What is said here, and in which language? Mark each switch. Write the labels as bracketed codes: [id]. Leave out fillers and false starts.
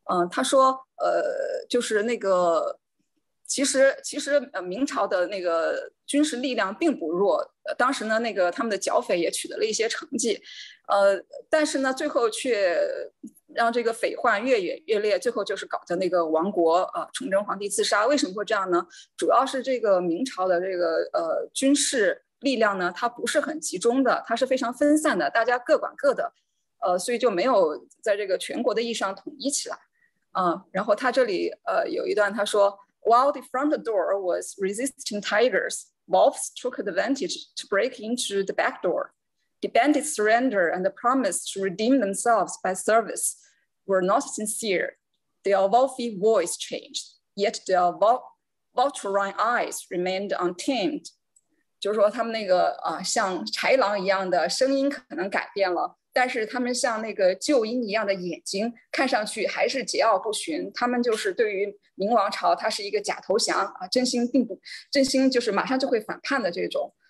[zh] 他说就是那个其实明朝的那个军事力量并不弱，当时呢那个他们的剿匪也取得了一些成绩，但是呢最后却让这个匪患越演越烈，最后就是搞的那个亡国崇祯皇帝自杀。为什么会这样呢？主要是这个明朝的这个军事力量呢它不是很集中的，它是非常分散的，大家各管各的，所以就没有在这个全国的意义上统一起来。然后他这里有一段他说， [en] While the front door was resisting tigers, wolves took advantage to break into the back door. The bandits' surrender and the promise to redeem themselves by service were not sincere. Their wolfy voice changed, yet their vulturine eyes remained untamed. [zh] 就是说他们那个像豺狼一样的声音可能改变了，但是他们像那个旧鹰一样的眼睛看上去还是桀骜不驯。他们就是对于明王朝他是一个假投降啊，真心就是马上就会反叛的这种。